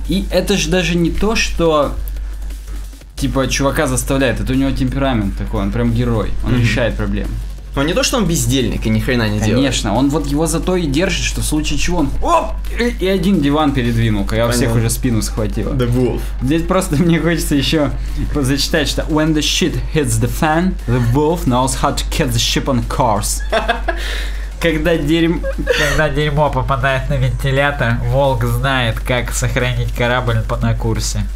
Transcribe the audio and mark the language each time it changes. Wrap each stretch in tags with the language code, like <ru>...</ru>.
<ru>И это же даже не то, что, типа, чувака заставляет, это у него темперамент такой, он прям герой, он решает проблемы. Но не то, что он бездельник и ни хрена не делает. Конечно, он вот его зато и держит, что в случае чего он... Оп! И один диван передвинул, когда всех уже спину схватил.</ru> <en>The Wolf.</en> <ru>Здесь просто мне хочется еще зачитать, что...</ru> <en>When the shit hits the fan, the wolf knows how to catch the ship on course.</en> <ru>Когда дерьмо попадает на вентилятор, волк знает, как сохранить корабль на курсе.</ru>